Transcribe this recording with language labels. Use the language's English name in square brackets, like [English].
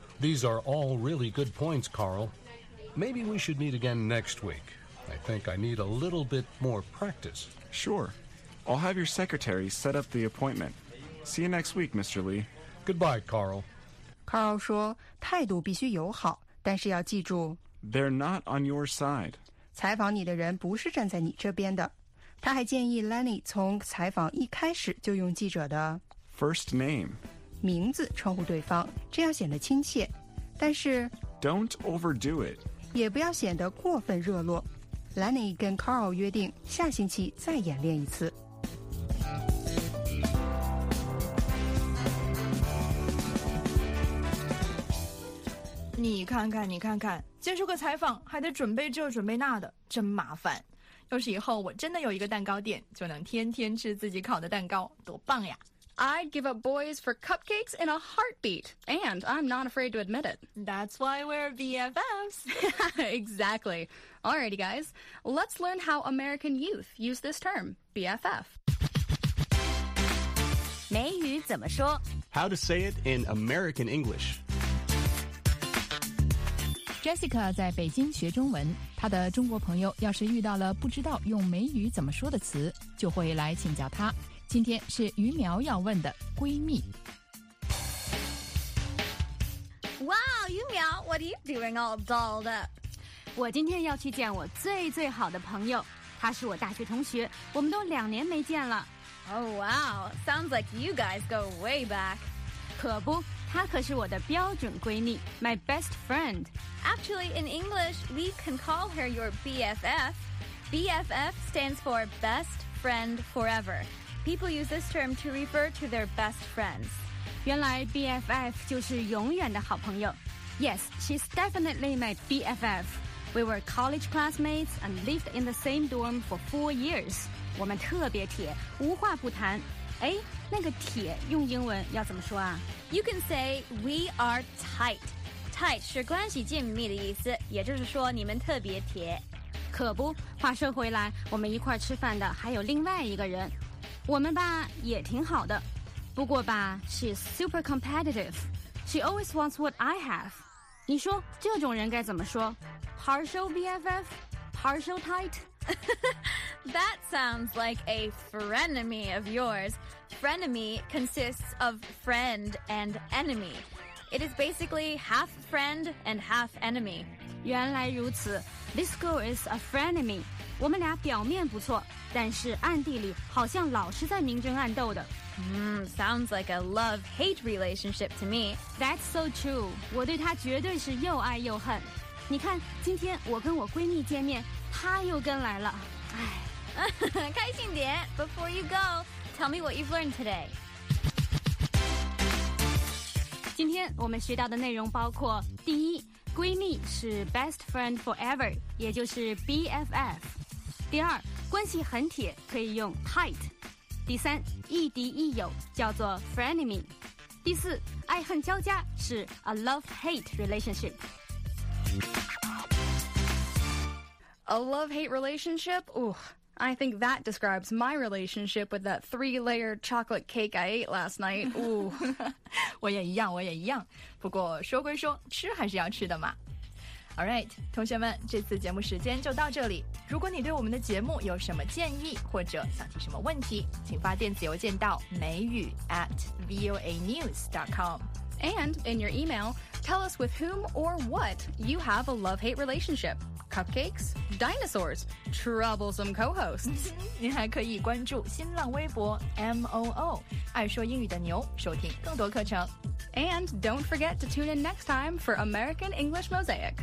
[English] These are all really good points, Carl. Maybe we should meet again next week. I think I need a little bit more practice. Sure. I'll have your secretary set up the appointment. See you next week, Mr. Lee. Goodbye, Carl. [Chinese] Carl 说态度必须友好，但是要记住 [English] They're not on your side. [Chinese] 采访你的人不是站在你这边的。他还建议 Lenny 从采访一开始就用记者的 [English] First name [Chinese] 名字称呼对方，这样显得亲切。但是 [English] Don't overdo it. [Chinese] 也不要显得过分热络。 Lenny 跟 Carl 约定下星期再演练一次。你看看，你看看，接受个采访还得准备这准备那的，真麻烦。要是以后我真的有一个蛋糕店，就能天天吃自己烤的蛋糕，多棒呀！ [English] I'd give up boys for cupcakes in a heartbeat, and I'm not afraid to admit it. That's why we're BFFs. Exactly. Alrighty, guys, let's learn how American youth use this term, BFF. [Chinese] 美语怎么说? [English] How to say it in American English. [Chinese] Jessica 在北京学中文，她的中国朋友要是遇到了不知道用美语怎么说的词，就会来请教她。今天是于苗要问的闺蜜。哇， [English] 于苗 ，What are you doing all dolled up？ [Chinese] 我今天要去见我最最好的朋友，她是我大学同学，我们都两年没见了。 [English] Oh wow, sounds like you guys go way back。 [Chinese] 可不，她可是我的标准闺蜜 ， [English] my best friend。 Actually, in English, we can call her your BFF. BFF stands for best friend forever. People use this term to refer to their best friends. [Chinese] 原来 BFF 就是永远的好朋友。 [English] Yes, she's definitely my BFF. We were college classmates and lived in the same dorm for 4 years. [Chinese] 我们特别铁，无话不谈。哎，那个铁用英文要怎么说啊？ [English] You can say we are tight. [Chinese] Tight 是关系紧密的意思，也就是说你们特别铁。可不，话说回来，我们一块吃饭的还有另外一个人。我们吧也挺好的，不过吧 ， [English] she's super competitive. She always wants what I have. [Chinese] 你说这种人该怎么说 ？ [English] Partial BFF, partial tight. That sounds like a frenemy of yours. Frenemy consists of friend and enemy. It is basically half friend and half enemy. [Chinese] 原来如此 [English] ，this girl is a frenemy. [Chinese] 我们俩表面不错，但是暗地里好像老是在明争暗斗的。 [English] Sounds like a love-hate relationship to me. That's so true. [Chinese] 我对她绝对是又爱又恨。你看，今天我跟我闺蜜见面，她又跟来了。唉，开心点。 [English] Before you go, tell me what you've learned today. [Chinese] 今天我们学到的内容包括：第一，闺蜜是 best friend forever， 也就是 BFF。第二，关系很铁可以用 tight。第三，亦敌亦友叫做 frenemy。第四，爱恨交加是 a love-hate relationship。 [English] A love-hate relationship? Ooh, I think that describes my relationship with that three-layer chocolate cake I ate last night. Ooh. [Chinese] 我也一样，我也一样。不过说归说，吃还是要吃的嘛。 [English] All right, [Chinese] 同学们，这次节目时间就到这里。如果你对我们的节目有什么建议或者想提什么问题，请发电子邮件到美语@voanews.com. [English] And in your email, tell us with whom or what you have a love-hate relationship. Cupcakes? Dinosaurs? Troublesome co-hosts? [Chinese] 你还可以关注新浪微博 MOO, 爱说英语的牛，收听更多课程。 [English] And don't forget to tune in next time for American English Mosaic.